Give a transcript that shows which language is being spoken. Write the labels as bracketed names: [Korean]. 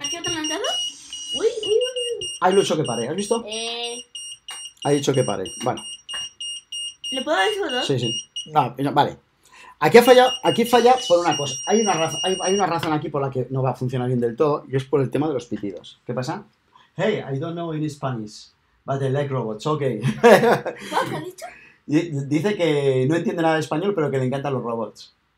[Spanish] ¿Aquí otro lanzado? Uy, uy, uy. Ahí lo he hecho que pare, ¿has visto? Ha dicho que pare. Bueno. ¿Le puedo decir dos? Sí, sí. Ah, mira, vale. Aquí falla por una cosa. Hay una razón aquí por la que no va a funcionar bien del todo y es por el tema de los pitidos. ¿Qué pasa? [English] Hey, I don't know in Spanish, but the leg robots, okay. [Spanish] ¿Qué ha dicho? Dice que no entiende nada de español, pero que le encantan los robots.